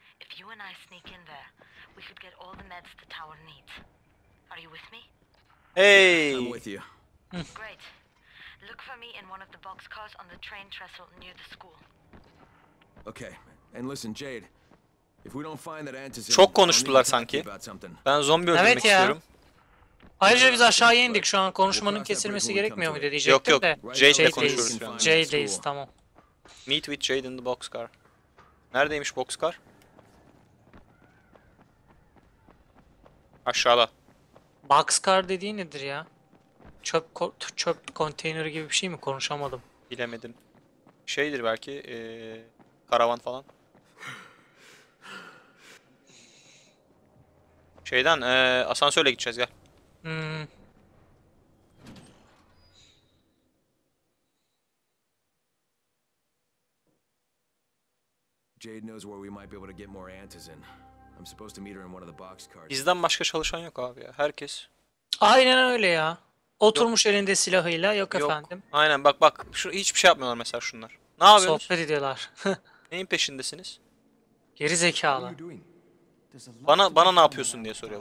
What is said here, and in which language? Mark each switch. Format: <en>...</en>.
<en>If you and I sneak in there, we could get all the meds the tower needs. Are you with me? Hey, I'm with you. Great. Look for me in one of the boxcars on the train trestle near the school. Okay. And listen, Jade. If we don't find that antizen.</en> <tr>Çok konuştular sanki. Ben zombi öldürmek evet istiyorum. Ayrıca biz aşağıya indik. Şu an konuşmanın kesilmesi gerekmiyor mu diyecektim. Yok yok. Jade'le konuşuyoruz. Jade'deyiz, tamam.</tr> <en>Meet with Jade in the boxcar.</en> <tr>Neredeymiş boxcar? Aşağıda. Boxcar dediği nedir ya? Çöp çöp konteyneri gibi bir şey mi? Konuşamadım. Bilemedim. Şeydir belki karavan falan. Şeyden asansörle gideceğiz gel.</tr> <en>Jade knows where we might be able to get more antizen. I'm supposed to meet her in one of the box cars.</en> <tr>Bizden başka çalışan yok abi ya. Herkes. Aynen öyle ya. Oturmuş yok. Elinde silahıyla. Yok, yok efendim. Aynen bak bak. Şu hiçbir şey yapmıyorlar mesela şunlar. Ne yapıyorsun? Sohbet ediyorlar. Neyin peşindesiniz? Geri zekalı. Bana ne yapıyorsun diye soruyor.</tr>